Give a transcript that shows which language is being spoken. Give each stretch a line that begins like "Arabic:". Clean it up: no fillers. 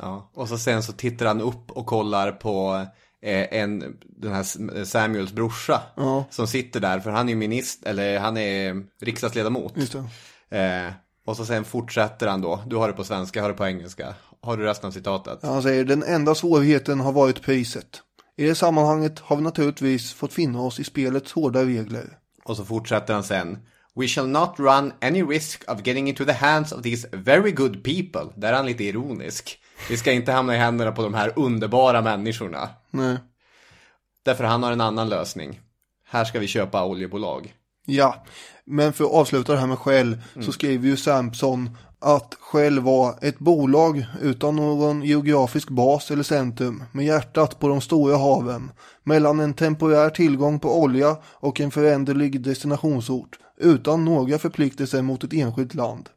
Swedish: Ja, och så sen så tittar han upp och kollar på den här Samuels brorsa, ja, som sitter där, för han är minister, eller han är riksdagsledamot. Just det. Och så sen fortsätter han då, du har det på svenska, jag har det på engelska. Har du resten av citatet? Ja, han säger, den enda svårigheten har varit priset. I det sammanhanget har vi naturligtvis fått finna oss i spelets hårda regler. Och så fortsätter han sen:
English: we shall not run any risk of getting into the hands of these very good people.
Swedish: Där är han lite ironisk. Vi ska inte hamna i händerna på de här underbara människorna. Nej. Därför han har en annan lösning. Här ska vi köpa oljebolag. Ja, men för att avsluta det här med Shell, så skriver ju Sampson att Shell var ett bolag utan någon geografisk bas eller centrum, med hjärtat på de stora haven, mellan en temporär tillgång på olja och en föränderlig destinationsort, utan några förpliktelser mot ett enskilt land.